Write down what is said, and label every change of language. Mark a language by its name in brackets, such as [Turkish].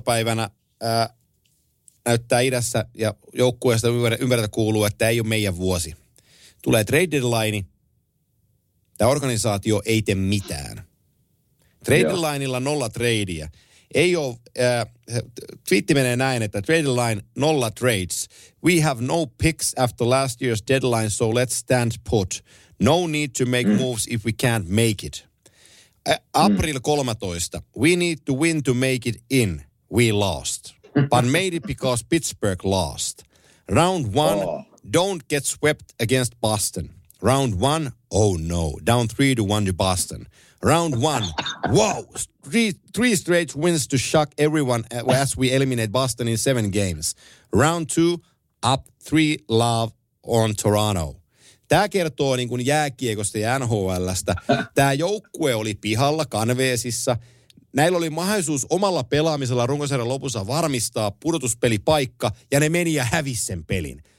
[Finnish] päivänä näyttää idässä ja joukkueesta ympäriltä kuuluu, että ei ole meidän vuosi. Tulee trade deadline, tämä organisaatio ei tee mitään. Trade deadlineilla nolla tradeja. Ei ole, twiitti menee näin, että trade deadline nolla trades. [English] We have no picks after last year's deadline, so let's stand put. No need to make moves if we can't make it. April 13. We need to win to make it in. We lost. But made it because Pittsburgh lost. Round one, don't get swept against Boston. Round one, oh no. Down 3-1 to Boston. Round one, whoa. Three straight wins to shock everyone as we eliminate Boston in 7 games. Round two, up 3 love on Toronto. [Finnish] Tämä kertoo niin kuin jääkiekosta ja NHL:stä. Tämä joukkue oli pihalla kanveesissa. Näillä oli mahdollisuus omalla pelaamisella runkosarjan lopussa varmistaa pudotuspelipaikka, ja ne meni ja hävisi sen pelin.